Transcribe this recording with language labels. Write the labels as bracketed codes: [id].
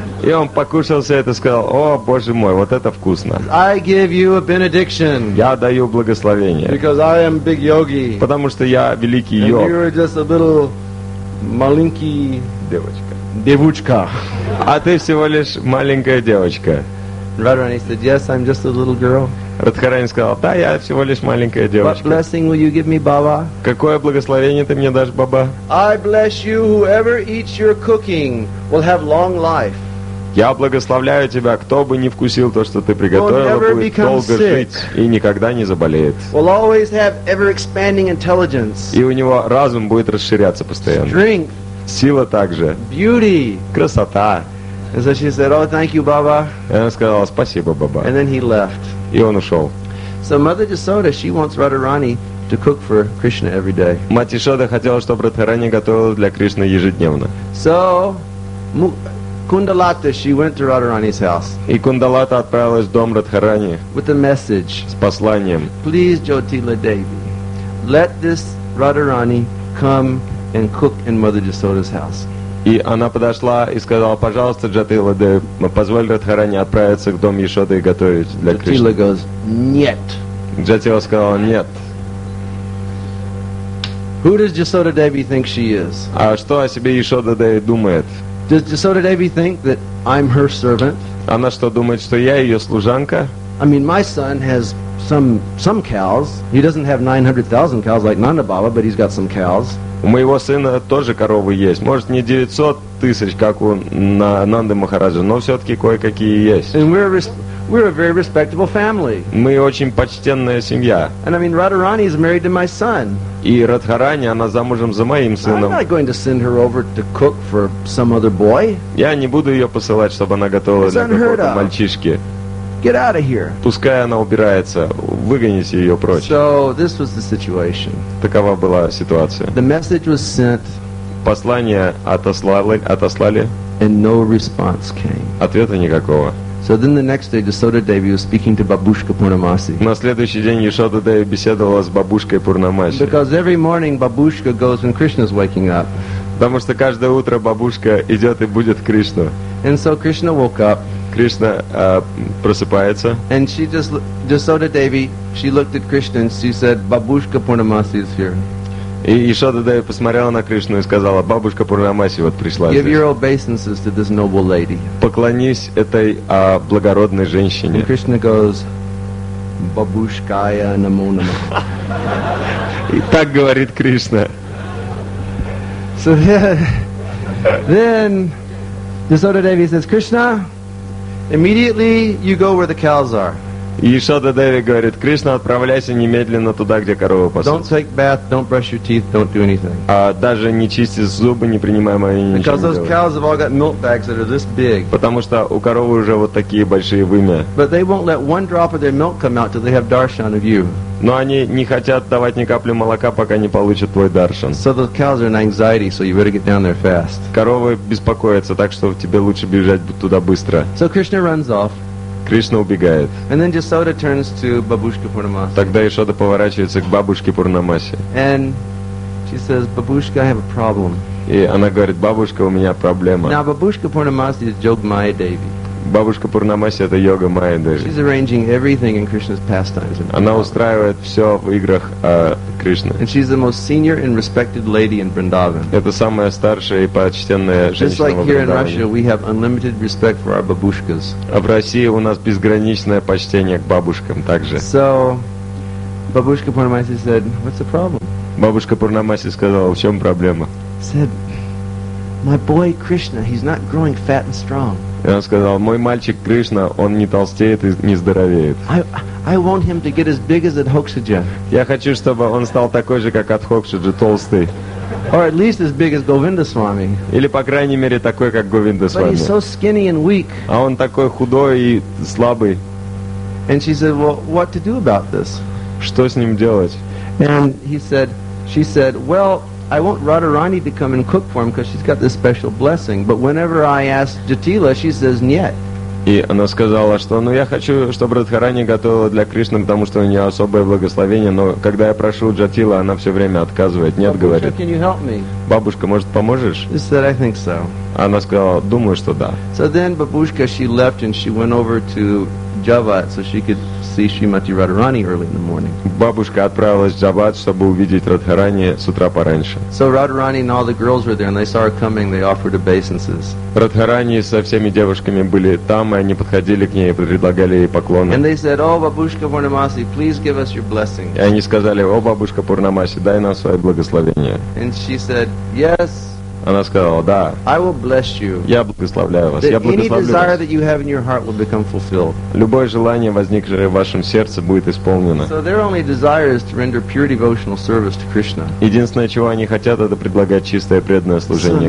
[ru] И он покушался это и сказал: "О, Боже мой, вот это вкусно." [en] I give you a benediction. [ru] Я даю благословение. [en] Because I am big yogi. [ru] Потому что я великий [en] and [ru] йог. [en] And you are just a little [ru] маленький девочка. Девочка. А ты всего лишь маленькая девочка. [en] Radharani said, "Yes, I'm just a little girl." [ru] Радхарани сказала: «Да, я всего лишь маленькая девочка. [en] What blessing will you give me, Baba? [ru] Какое благословение ты мне дашь, Баба?» [en] I bless you, whoever eats your cooking will have long life. [ru] Я благословляю тебя, кто бы не вкусил то, что ты приготовила, будет долго жить и никогда не заболеет. [en] We'll always have ever-expanding intelligence. [ru] И у него разум будет расширяться постоянно. [en] Strength. [ru] Сила также. [en] Beauty. [ru] Красота. [en] And so she said, "Oh, thank you, Baba." [ru] И она сказала: «Спасибо, Баба». [en] And then he left. [ru] И он ушел. [en] So Mother Jasoda, she wants Radharani to cook for Krishna every day. [ru] Мать Ишода хотела, чтобы Радхарани готовила для Кришны ежедневно. [en] So Кундалата, she went to Radharani's house. [ru] И Кундалата отправилась в дом Радхарани. [en] With a message. [ru] С посланием. [en] Please, Jyotila Devi, let this Radharani come and cook in Mother Jasoda's house. [ru] И она подошла и сказала: «Пожалуйста, Джатила Деви, позволь Радхарани отправиться к дому Ишоды и готовить для Кришны». [en] Джатила goes, [ru] нет. Джатила сказала: «Нет». [en] Who does Jasoda Devi think she is? [ru] А что о себе Ишода Деви думает? [en] Does Jasoda Devi think that I'm her servant? [ru] Она что думает, что я ее служанка? [en] I mean, my son has some cows. He doesn't have 900,000 cows like Nanda Baba, but he's got some cows. [ru] У моего сына тоже коровы есть. Может, не 900 тысяч, как у Нанды Махараджа, но все-таки кое-какие есть. [en] And we're a very respectable family. [ru] Мы очень почтенная семья. [en] And I mean, Radharani is married to my son. [ru] И Радхарани, она замужем за моим сыном. [en] I'm not going to send her over to cook for some other boy. [ru] Я не буду ее посылать, чтобы она готовила для какого-то мальчишки. [en] Get out of here. [ru] Пускай она убирается, выгоните ее прочь. [en] So this was the situation. [ru] Такова была ситуация. [en] The message was sent. [ru] Послание отослали. [en] And no response came. [ru] Ответа никакого. [en] So then the next day, Jasoda Devi was speaking to Babushka Purnamasi. [ru] На следующий день Ишода Деви беседовала с бабушкой Пурнамаси. [en] Because every morning Babushka goes when Krishna's waking up. [ru] Потому что каждое утро бабушка идет и будет Кришну. [en] And so Krishna woke up. [ru] Кришна просыпается. [en] And she Jasoda Devi, she looked at Krishna and she said, Babushka Purnamasi is here. [ru] И Ишода Деви посмотрела на Кришну и сказала: «Бабушка Пурнамаси вот пришла здесь. [en] Give your obeisances to this noble lady. [ru] Поклонись этой благородной женщине». [en] And Krishna goes, Бабушкая намо нама. [ru] И так говорит Кришна. [en] So then Jasoda Devi says, Krishna, immediately you go where the cows are. [ru] И Ишода Деви говорит: Кришна, отправляйся немедленно туда, где коровы пасутся. [en] Don't take bath, don't brush your teeth, don't do anything. [ru] А даже не чисти зубы, не принимай мои ничего. [en] Because those cows have all got milk bags that are this big. [ru] Потому что у коровы уже вот такие большие вымя. [en] But they won't let one drop of their milk come out till they have darshan of you. [ru] Но они не хотят давать ни капли молока, пока не получат твой даршан. [en] So those cows are in anxiety, so you better get down there fast. [ru] Коровы беспокоятся, так что тебе лучше бежать туда быстро. [en] So Krishna runs off. [ru] Кришна убегает. [en] And then Jasoda turns to Babushka Purnamasi. [ru] Тогда Ишода поворачивается к бабушке Пурнамаси. [en] And she says, Babushka, I have a problem. [ru] И она говорит: бабушка, у меня проблема. [en] Now Babushka Purnamasi is Yoga Maya Devi. [ru] Бабушка Пурнамаси — это Йога Майя Деви. [en] She's arranging everything in Krishna's pastimes. [ru] Она устраивает все в играх Кришны. [en] And she's the most senior and respected lady in Vrindavan. [ru] Это самая старшая и почтенная женщина. [en] Just like [ru] в [en] here in Russia, we have unlimited respect for our babushkas. [ru] А в России у нас безграничное почтение к бабушкам также. [en] So Babushka Purnamasi said, "What's the problem?" [ru] Бабушка Пурнамаси сказала: в чем проблема? [en] Said, "My boy Krishna, he's not growing fat and strong." [ru] И он сказал: мой мальчик Кришна, он не толстеет и не здоровеет. [en] I want him to get as big as Adhokshaja. [ru] Я хочу, чтобы он стал такой же, как Адхокшиджа, толстый. [en] Or at least as big as Govinda Swami. [ru] Или по крайней мере такой, как Говинда Свами. [en] But he's so skinny and weak. [ru] А он такой худой и слабый. [en] And she said, well, what to do about this? [ru] Что с ним делать? [en] And she said, well, I want Radharani to come and cook for him because she's got this special blessing. But whenever I ask Jatila, she says [ru] нет. И она сказала, что я хочу, чтобы Радхарани готовила для Кришны, потому что у нее особое благословение. Но когда я прошу Джатила, она все время отказывает. Нет, Бабушка, говорит. [en] Can you help me? [ru] Бабушка, может, поможешь? [en] She said, I think so. [ru] Она сказала, думаю, что да. [en] So then Babushka, she left and she went over to Java so she could see Shrimati Radharani early in the morning. [ru] Бабушка отправилась в Джават, чтобы увидеть Радхарани с утра пораньше. [en] So Radharani and all the girls were there, and they saw her coming. They offered obeisances. [ru] Радхарани со всеми девушками были там, и они подходили к ней и предлагали ей поклоны. [en] And they said, "Oh, Бабушка Пурнамаси, please give us your blessing." [ru] И они сказали: "О, Бабушка Пурнамаси, дай нам свое благословение." [en] And she said, "Yes." [ru] Она сказала, да. [en] I will bless you. [ru] Я благословляю вас. Я благословляю вас. [en] You [ru] Любое желание, возникшее в вашем сердце, будет исполнено. [en] So their only desire is to render pure devotional service to Krishna. [ru] Единственное, чего они хотят, это предлагать чистое преданное служение